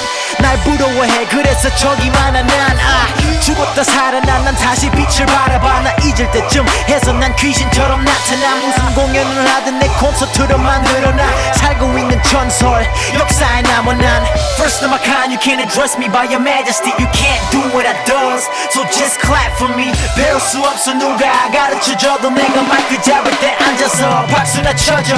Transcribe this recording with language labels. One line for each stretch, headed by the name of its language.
Korean: 날 부러워해 그래서 저기만 한 난 아 죽었다 살아난 난 다시 빛을 바라봐. 나 잊을 때쯤 해서 난 귀신처럼 나타나. 무슨 공연을 하든 내 콘서트로 만들어놔. 살고 있는 전설 역사에 남아 난
English: First of my kind. You can't address me by your majesty. You can't do what I does, so just clap for me.
Korean: 배울 수 없어 누가 가르쳐줘도 내가 마이크 잡을 때 앉아서 박수나 쳐줘.